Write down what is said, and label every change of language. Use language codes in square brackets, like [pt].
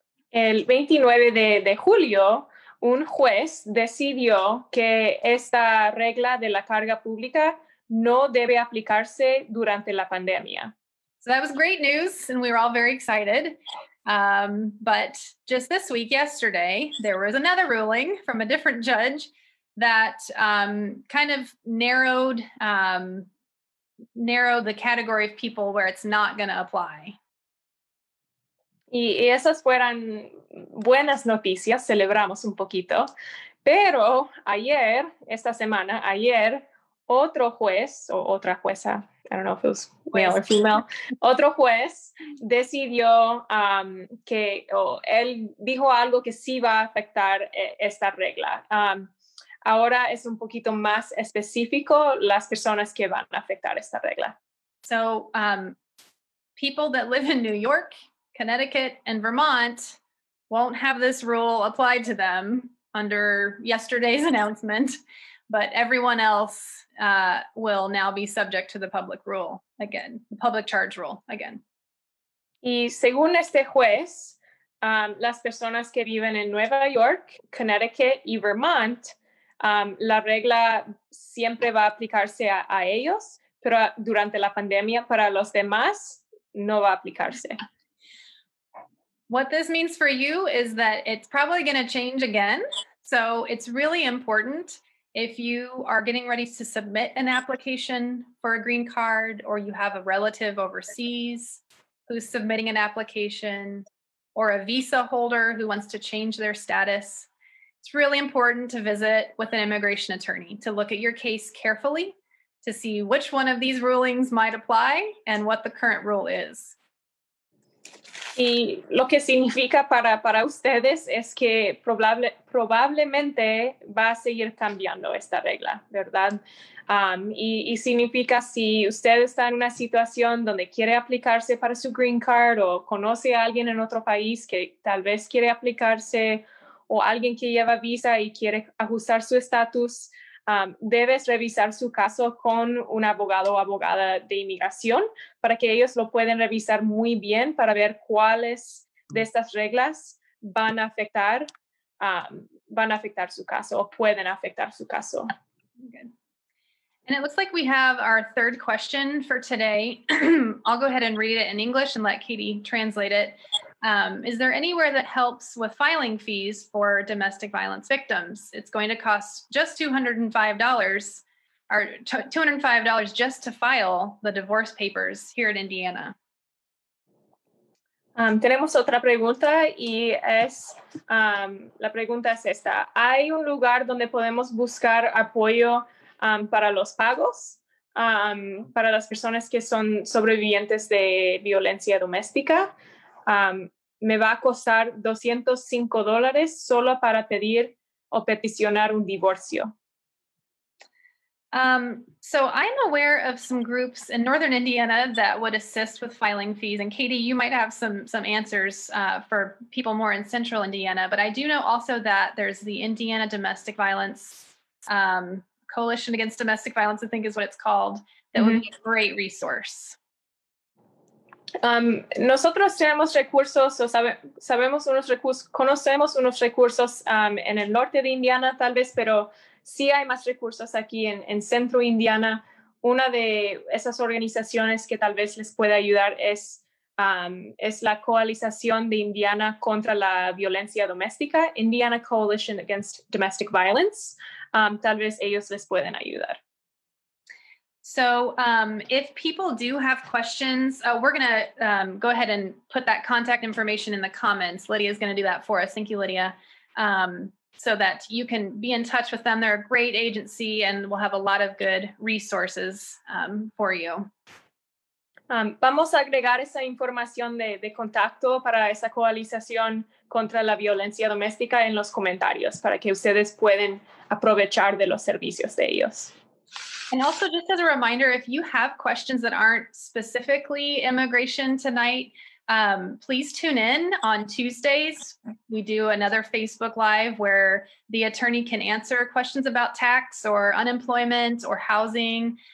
[es] El 29 de julio, un juez decidió que esta regla de la carga pública no debe aplicarse durante la pandemia. [en] So that was great news, and we were all very excited. But just this week, yesterday, there was another ruling from a different judge that narrowed the category of people where it's not going to apply. [es] Y esas fueran buenas noticias, celebramos un poquito. Pero ayer, esta semana, ayer, otro juez o otra jueza, [en] I don't know if it was male or female, [es] otro juez decidió él dijo algo que sí va a afectar esta regla. Ahora es un poquito más específico las personas que van a afectar esta regla. [en] So, people that live in New York, Connecticut and Vermont won't have this rule applied to them under yesterday's announcement, but everyone else will now be subject to the public rule again, the public charge rule again. [es] Y según este juez, las personas que viven en Nueva York, Connecticut y Vermont, la regla siempre va a aplicarse a ellos, pero durante la pandemia para los demás no va a aplicarse. [en] What this means for you is that it's probably going to change again. So it's really important if you are getting ready to submit an application for a green card, or you have a relative overseas who's submitting an application, or a visa holder who wants to change their status, it's really important to visit with an immigration attorney to look at your case carefully to see which one of these rulings might apply and what the current rule is. [es] Y lo que significa para ustedes es que probablemente va a seguir cambiando esta regla, ¿verdad? Y significa si usted está en una situación donde quiere aplicarse para su green card o conoce a alguien en otro país que tal vez quiere aplicarse o alguien que lleva visa y quiere ajustar su estatus, debes revisar su caso con un abogado o abogada de inmigración para que ellos lo puedan revisar muy bien para ver cuáles de estas reglas van a afectar su caso o pueden afectar su caso. [en] Good. And it looks like we have our third question for today. I'll go ahead and read it in English and let Katie translate it. Is there anywhere that helps with filing fees for domestic violence victims? It's going to cost just $205, or $205 just to file the divorce papers here in Indiana. [es] Tenemos otra pregunta y es, la pregunta es esta. ¿Hay un lugar donde podemos buscar apoyo para los pagos para las personas que son sobrevivientes de violencia doméstica? Me va a costar $205 solo para pedir o peticionar un divorcio. [en] So I'm aware of some groups in Northern Indiana that would assist with filing fees. And Katie, you might have some answers for people more in Central Indiana. But I do know also that there's the Indiana Domestic Violence Coalition Against Domestic Violence, I think is what it's called, that mm-hmm. would be a great resource. [es] Nosotros tenemos recursos, o sabemos unos recursos, conocemos unos recursos en el norte de Indiana tal vez, pero sí hay más recursos aquí en centro Indiana. Una de esas organizaciones que tal vez les puede ayudar es la Coalición de Indiana contra la Violencia Doméstica, Indiana Coalition Against Domestic Violence. Tal vez ellos les pueden ayudar. [en] So if people do have questions, we're going to go ahead and put that contact information in the comments. Lydia is going to do that for us. Thank you, Lydia, so that you can be in touch with them. They're a great agency and we'll have a lot of good resources for you. [es] Vamos a agregar esa información de contacto para esa coalición contra la violencia doméstica en los comentarios para que ustedes puedan aprovechar de los servicios de ellos. [en] And also, just as a reminder, if you have questions that aren't specifically immigration tonight, please tune in on Tuesdays. We do another Facebook Live where the attorney can answer questions about tax or unemployment or housing.